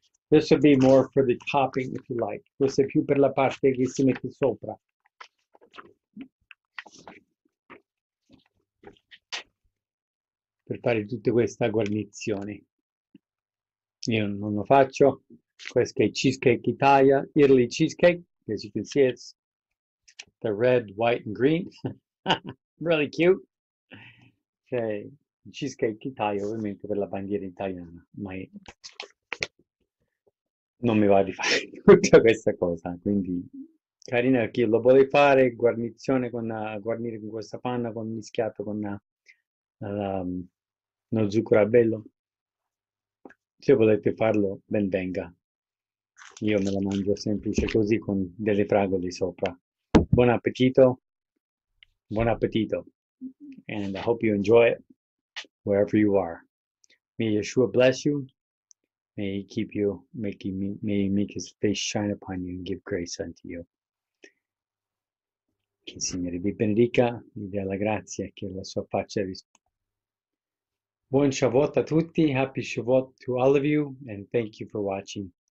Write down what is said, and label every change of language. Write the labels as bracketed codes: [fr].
[en] This would be more for the topping, if you like. [it] Questo è più per la parte che si mette sopra. Per fare tutta questa guarnizione. Io non lo faccio. Questo è Cheesecake Italia, [en] Italy Cheesecake. As you can see, it's the red, white, and green. Really cute. Okay. [it] Cheesecake Italia, ovviamente, per la bandiera italiana, ma non mi va di fare tutta questa cosa, quindi carina chi lo vuole fare, guarnizione con guarnire con questa panna con mischiato con uno zucchero a velo, se volete farlo ben venga, io me la mangio semplice così con delle fragole sopra. Buon appetito, buon appetito, [en] and I hope you enjoy it wherever you are. May Yeshua bless you. May he keep you, may he make his face shine upon you and give grace unto you. [it] Che il Signore vi benedica, vi dia la grazia, che la sua faccia vi... Buon Shavuot a tutti, [en] happy Shavuot to all of you, and thank you for watching.